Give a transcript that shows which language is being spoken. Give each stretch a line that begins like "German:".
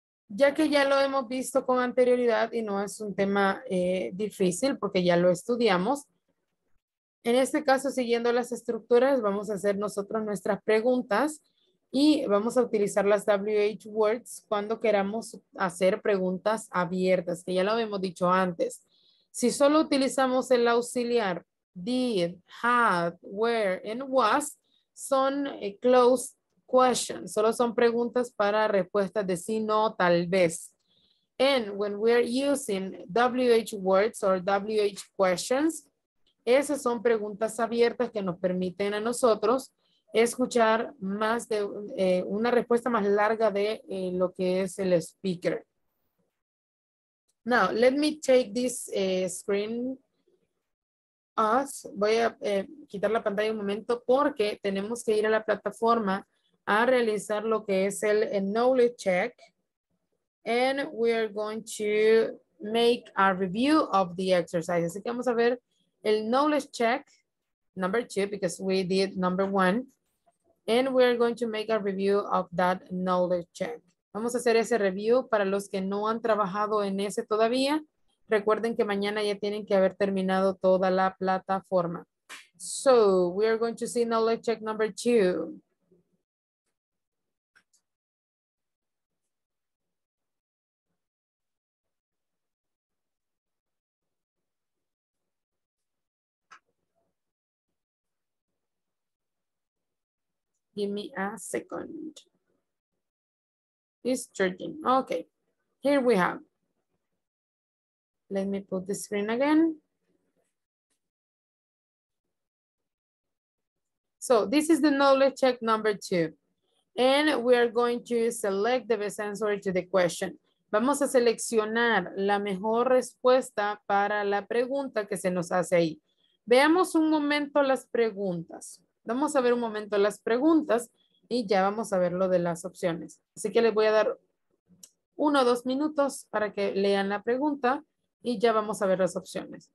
Spanish: Ya que ya lo hemos visto con anterioridad y no es un tema difícil porque ya lo estudiamos. En este caso, siguiendo las estructuras, vamos a hacer nosotros nuestras preguntas y vamos a utilizar las WH words cuando queramos hacer preguntas abiertas, que ya lo habíamos dicho antes. Si solo utilizamos el auxiliar did, had, where, and was, son closed questions. Solo son preguntas para respuestas de sí, no, tal vez.
English: And when we're using WH words or WH questions,
Spanish: esas son preguntas abiertas que nos permiten a nosotros escuchar más de una respuesta más larga de lo que es el speaker.
English: Now, let me take this screen off.
Spanish: Voy a quitar la pantalla un momento porque tenemos que ir a la plataforma a realizar lo que es el knowledge check.
English: And we are going to make a review of the exercise.
Spanish: Así que vamos a ver el
English: knowledge check number two, because we did number one. And we are going to make a review of that knowledge check.
Spanish: Vamos a hacer ese review para los que no han trabajado en ese todavía. Recuerden que mañana ya tienen que haber terminado toda la plataforma.
English: So we are going to see knowledge check number two. Give me a second. It's charging. Okay, here we have. Let me put the screen again. So this is the knowledge check number two. And we are going to select the best answer to the question.
Spanish: Vamos a seleccionar la mejor respuesta para la pregunta que se nos hace ahí. Veamos un momento las preguntas. Vamos a ver un momento las preguntas y ya vamos a ver lo de las opciones. Así que les voy a dar uno o dos minutos para que lean la pregunta y ya vamos a ver las opciones.